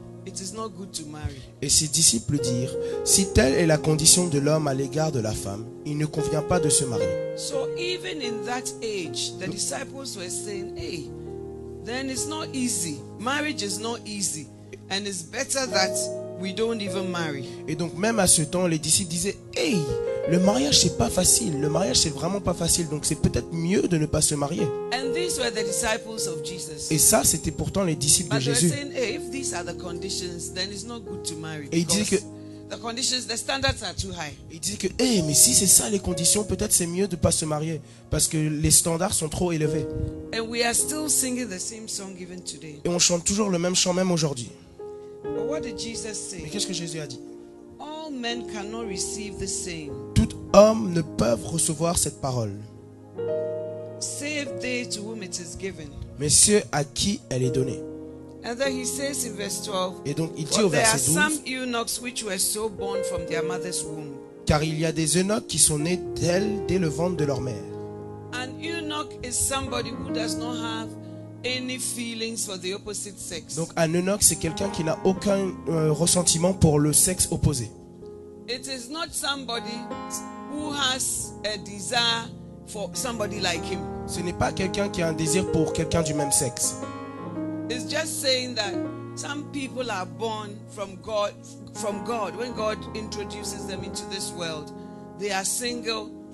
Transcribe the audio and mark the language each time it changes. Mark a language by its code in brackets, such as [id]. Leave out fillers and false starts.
[en] It is not good to marry. [fr] Et ses disciples dirent, si telle est la condition de l'homme à l'égard de la femme, il ne convient pas de se marier. [en] So even in that age, the disciples were saying, hey, then it's not easy. Marriage is not easy, and it's better that we don't even marry. [fr] Et donc même à ce temps, les disciples disaient, hey, le mariage c'est pas facile. Le mariage c'est vraiment pas facile. Donc c'est peut-être mieux de ne pas se marier. [en] And these were the disciples of Jesus. [fr] Et ça c'était pourtant les disciples [en] But [fr] de Jésus. [en] Saying, hey, if these are the conditions, then it's not good to marry. [fr] Et ils disaient que [en] the conditions, the standards are too high. [fr] Ils disaient que, hey, mais si c'est ça les conditions, peut-être c'est mieux de pas se marier parce que les standards sont trop élevés. [en] And we are still singing the same song even today. [fr] Et on chante toujours le même chant même aujourd'hui. [en] But what did Jesus say? [fr] Mais qu'est-ce que Jésus a dit? [en] All men cannot receive the same. [fr] Tout homme ne peut recevoir cette parole. [en] Save they to whom it is given. [fr] Mais ceux à qui elle est donnée. [en] And then he says in verse 12. [fr] Et donc il dit au verset 12. [en] There are some eunuchs which were so born from their mother's womb. [fr] Car il y a des eunuchs qui sont nés d'elles dès le ventre de leur mère. [en] An eunuch is somebody who does not have any feelings for the opposite sex. [fr] Donc un eunuque c'est quelqu'un qui n'a aucun ressentiment pour le sexe opposé. [en] It is not somebody who has a desire for somebody like him. [fr] Ce n'est pas quelqu'un qui a un désir pour quelqu'un du même sexe. [en] It's just saying that some people are born from God when God introduces them into this world, they are single.